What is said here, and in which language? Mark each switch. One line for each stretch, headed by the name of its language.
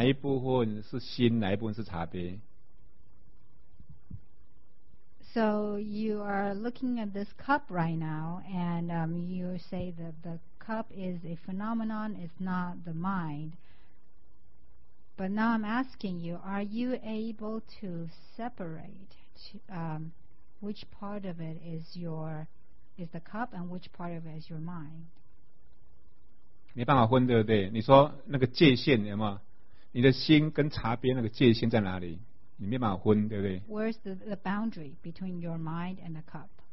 Chinese: 在第二个哦，你现在看到这个茶杯，对不对？茶杯不是你的心，对不对？但是我要请问你，你看到茶杯，对不对？是看到了嘛，对不对？有没有办法就是切割说哪一部分是心，哪一部分是茶杯？
English: So you are looking at this cup right now, and you say that the cup is a phenomenon, it's not the mind. But now I'm asking you, are you able to separate which part of it is your is the cup and which part of it is your mind?
Chinese: 没办法分，对不对？你说那个界限，有没有？你的心跟茶杯那个界限在哪里？你没办法分，对不对？
English: Where's the boundary between your mind and the cup?